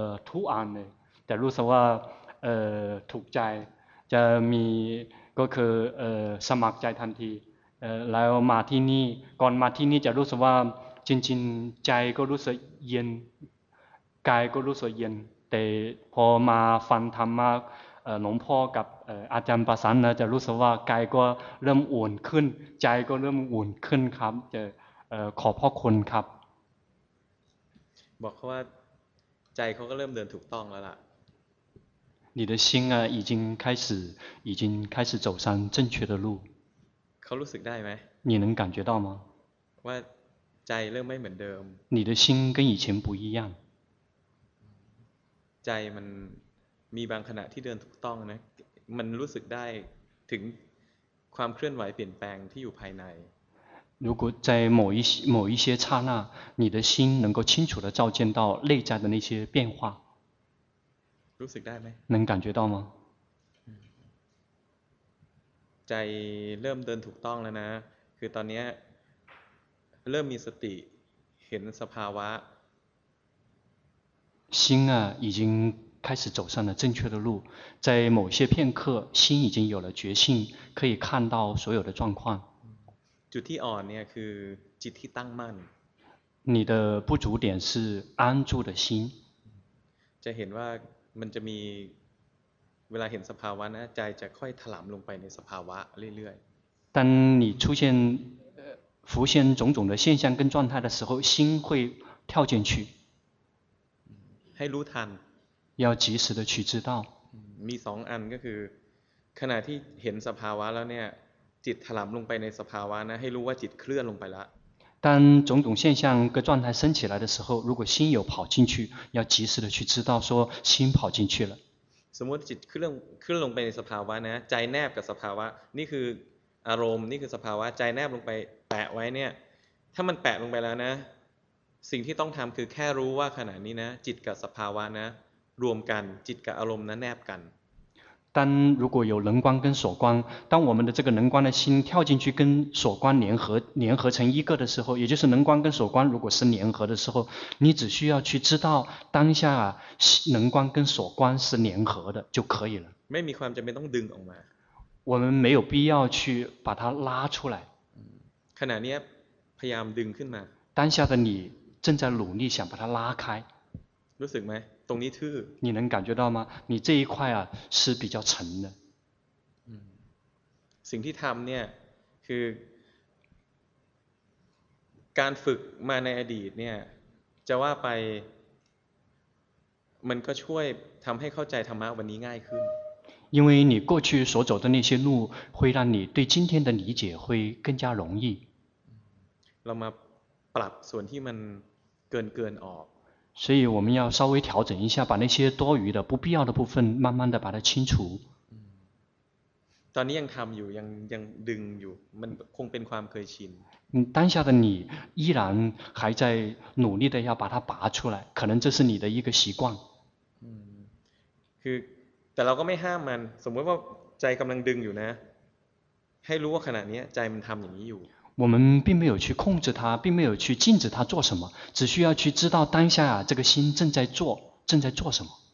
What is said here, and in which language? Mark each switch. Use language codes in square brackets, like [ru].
[th] ทุกอันเลยแต่รู้สึกว่าถูกใจจะมีก็คือสมัครใจทันทีแล้วมาที่นี่ก่อนมาที่นี่จะรู้สึกว่าจริงๆใจก็รู้สึกเย็นกายก็รู้สึกเย็นแต่พอมาฟังธรรมะหลวงพ่อกับอาจารย์ประสานนะจะรู้สึกว่ากายก็เริ่มอุ่นขึ้นใจก็เริ่มอุ่นขึ้นครับจะขอบพระคุณครับ บอกเขาว่าใจเขาก็เริ่มเดินถูกต้องแล้วล่ะ [zh] 你的心啊已经开始走上正确的路 [th] เขารู้สึกได้ไ หม [zh] 你能感觉到吗 [th] ว่าใจเริ่มไม่เหมือนเดิม [zh] 你的心跟以前不一样 [th] ใจมันมีบางขณะที่เดินถูกต้องนะมันรู้สึกได้ถึงความเคลื่อนไหวเปลี่ยนแปลงที่อยู่ภายใน [zh] 如果在某一些刹那你的心能够清楚地照见到内在的那些变化 [th] รู้สึกได้ไ หม [zh] 能感觉到吗 [th] ใจเริ่มเดินถูกต้องแล้วนะคือตอนนี้เริ่มมีสติเห็นสภาวะ [zh] 心啊已经开始走上了正确的路在某些片刻心已经有了决心可以看到所有的状况 [th] จุดที่อ่อนเนี่ยคือจิตที่ตั้งมั่น [zh] 你的不足点是安住的心 [th] จะเห็นว่ามันจะมีเวลาเห็นสภาวะนะใจจะค่อยถลำลงไปในสภาวะเรื่อย [zh] ๆ当你出现浮现种种的现象跟状态的时候心会跳进去 [th] ให้รู้ทัน [zh] 要及时的去知道 [th] มี2อันก็คือขณะที่เห็นสภาวะแล้วเนี่ยจิตถลำลงไปในสภาวะนะให้รู้ว่าจิตเคลื่อนลงไปละ [zh] 当种种现象跟状态升起来的时候如果心有跑进去要及时的去知道说心跑进去了 [th] สมมติจิตเคลื่อนลงไปในสภาวะนะใจแนบกับสภาวะนี่คืออารมณ์นี่คือสภาวะใจแนบลงไปแปะไว้เนี่ยถ้ามันแปะลงไปแล้วนะสิ่งที่ต้องทำคือแค่รู้ว่าขณะนี้นะจิตกับสภาวะนะรวมกันจิตกับอารมณ์นั้นแนบกัน [zh] 当如果有能观跟所观，当我们的这个能观的心跳进去跟所观联合成一个的时候，也就是能观跟所观如果是联合的时候，你只需要去知道当下啊，能观跟所观是联合的就可以了。 [th] ไม่มีความจำเป็นต้องดึงออกมา。 [zh] 我们没有必要去把它拉出来。 [th] ขณะนี้พยายามดึงขึ้นมา。 [zh] 当下的你正在努力想把它拉开。 [th] รู้สึกไหมตรงนี้ทื่อ [zh] 你能感觉到吗你这一块啊是比较沉的 [th] สิ่งที่ทำเนี่ยคือการฝึกมาในอดีตเนี่ยจะว่าไปมันก็ช่วยทำให้เข้าใจธรรมะวันนี้ง่ายขึ้น [zh] 因为你过去所走的那些路会让你对今天的理解会更加容易 [th] เรามาปรับส่วนที่มันเกินออก [zh] 所以我们要稍微调整一下把那些多余的不必要的部分慢慢的把它清除 [th] ตอนนี้ยังทำอยู่ยังดึงอยู่มันคงเป็นความเคยชิน [zh] 当下的你依然还在努力的要把它拔出来可能这是你的一个习惯 [th] คือแต่เราก็ไม่ห้ามมันสมมติว่าใจกำลังดึงอยู่นะให้รู้ว่าขณะนี้ใจมันทำอย่างนี้อยู่ [zh] 我们并没有去控制它，并没有去禁止它做什么，只需要去知道当下啊，这个心正在做什么。